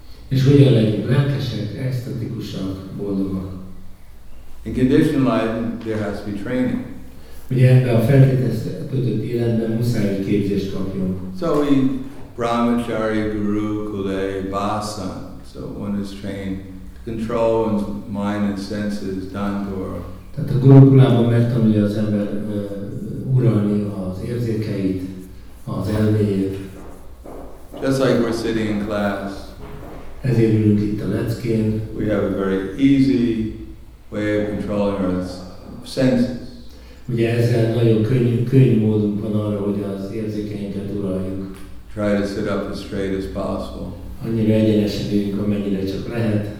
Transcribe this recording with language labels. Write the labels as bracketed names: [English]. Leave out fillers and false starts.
[Hungarian] És hogyan legyünk lelkesek, esztetikusak, boldogak. [English] In conditioned life, there has to be training. [Hungarian] Ugye ebben a feltételezett életben muszáj, hogy képzést kapjunk. [English] So we [Sanskrit] brahmacharya, guru, kule, vasan. [English] So one is trained to control one's mind and senses, dandur. [Hungarian] Tehát a guru kulában megtanulja az ember uralni az érzékeit, az elméjét. [English] Just like we're sitting in class. [Hungarian] Ezért ülünk itt a leckén. [English] We have a very easy way of controlling our senses. [Hungarian] Ugye ezzel nagyon könnyű módunk van arra, hogy az érzékeinket uraljuk. [English] Try to sit up as straight as possible. [Hungarian] Annyira egyenesen üljünk, amennyire csak lehet.